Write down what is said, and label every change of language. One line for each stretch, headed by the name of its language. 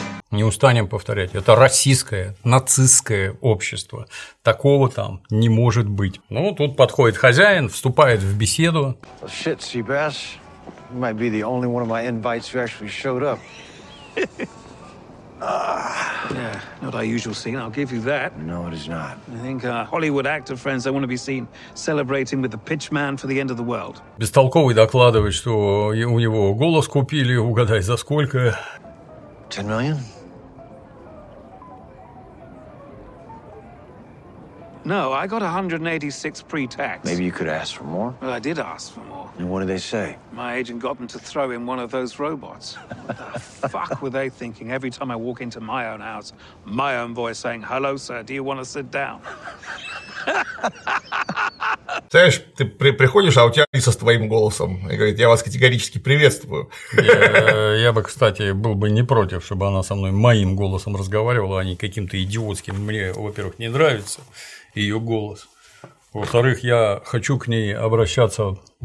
Russian: Не устанем повторять, это российское, нацистское общество, такого там не может быть. Ну, тут подходит хозяин, вступает в беседу.
English: Shit, Seabass, you might be the only one of my invites who actually showed up. Yeah, not our usual scene, I'll give you that. No, it is not. I think Hollywood actor friends, they want to be seen celebrating with the pitch man for the end of the world.
Russian: Бестолковый докладывает, что у него голос купили, угадай, за сколько?
English: 10 million? No, I got 186 pre-tax. Maybe you could ask for more? Well, I did ask for more. And what did they say? My agent got them to throw in one of those robots. What the fuck were they thinking every time I walk into my own house, my own voice saying, hello, sir, do you want to sit down?
Russian: Знаешь, ты приходишь, а у тебя Алиса с твоим голосом, и говорит, я вас категорически приветствую. Я бы, кстати, был бы не против, чтобы она со мной моим голосом разговаривала, а не каким-то идиотским. Мне, во-первых, не нравится ее голос. Во-вторых, я хочу к ней обращаться